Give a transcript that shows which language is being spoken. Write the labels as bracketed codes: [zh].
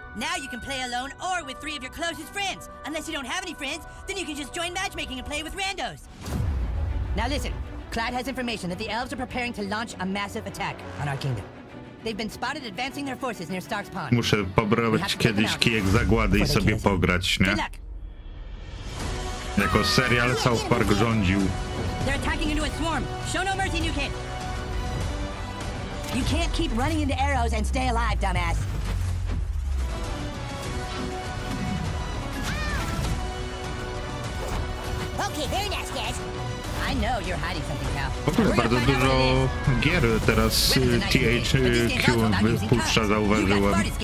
[en] Now you can play alone or with three of your closest friends. Unless you don't have any friends, then you can just join matchmaking and play with randos. Now listen, Clad has information that the elves are preparing to launch a massive attack on our kingdom. They've been spotted advancing their forces near Stark's Pond. [pl] Muszę pobrać kiedyś kijek zagłady i sobie pograć, nie? Jako serial South Park rządził. [en] They're attacking into a swarm. Show no mercy, new kid. You can't keep running into arrows and stay alive, dumbass. Okay, very nice, guys. I know you're hiding something, pal. [pl] W ogóle bardzo dużo gier teraz THQ wypuszcza, zauważyłem.